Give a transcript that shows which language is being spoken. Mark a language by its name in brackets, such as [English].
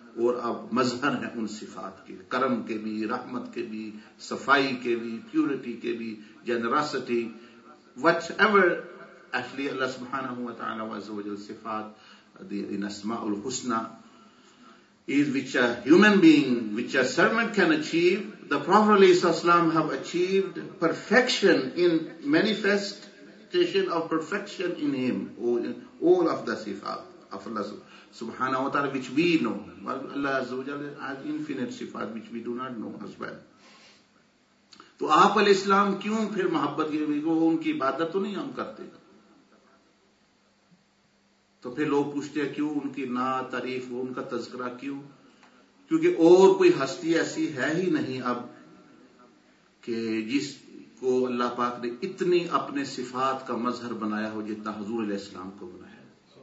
[Urdu] اور اب مظہر ہیں ان صفات کے، کرم کے بھی، رحمت کے بھی، صفائی کے بھی، پیورٹی کے بھی، جنراسٹی، [English] whatever actually [Urdu] اللہ سبحانہ و تعالی عز و جل صفات ان اسماء الحسنی [English] is which a human being, which a servant can achieve. The Prophet صلی اللہ علیہ وسلم have achieved perfection in manifestation of perfection in him, all of the sifat of Allah subhanahu wa ta'ala which we know. Well, Allah عز و جل has infinite sifat which we do not know as well. [Urdu] تو آپ علیہ السلام کیوں پھر محبت کے ان کی عبادت تو نہیں ہم کرتے؟ تو پھر لوگ پوچھتے ہیں کیوں ان کی نعت تعریف، ان کا تذکرہ کیوں؟ کیونکہ اور کوئی ہستی ایسی ہے ہی نہیں اب کہ جس کو اللہ پاک نے اتنی اپنے صفات کا مظہر بنایا ہو جتنا حضور علیہ السلام کو بنایا ہے.